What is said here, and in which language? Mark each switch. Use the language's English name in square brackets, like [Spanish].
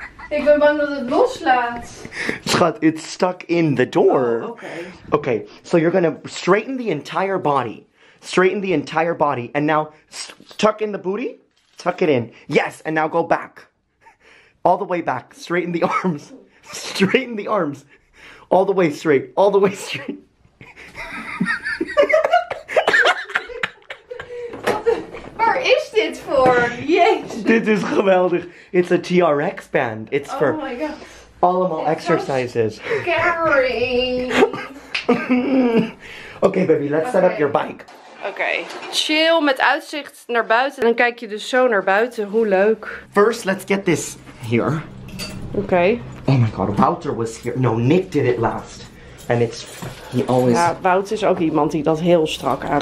[Dutch] Ik ben bang dat het loslaat. [English] Schat, it's stuck in the door. Oh, okay. Okay, so you're gonna straighten the entire body. Straighten the entire body. And now tuck in the booty. Tuck it in. Yes, and now go back. All the way back. Straighten the arms. Straighten the arms. All the way straight. All the way straight. [Dutch] Jezus. Dit is geweldig. [English] It's a TRX band. It's oh for my God. [Dutch] Allemaal [English] it's exercises. Scary. Okay, baby, let's okay. Set up your bike. Okay. [Dutch] Chill met uitzicht naar buiten. En dan kijk je dus zo naar buiten. Hoe leuk. [English] First, let's get this here. Okay. Oh my God, Wouter was here. No, Nick did it last. And it's, he always... [Dutch] Ja, Wouter is ook iemand die dat heel strak aan.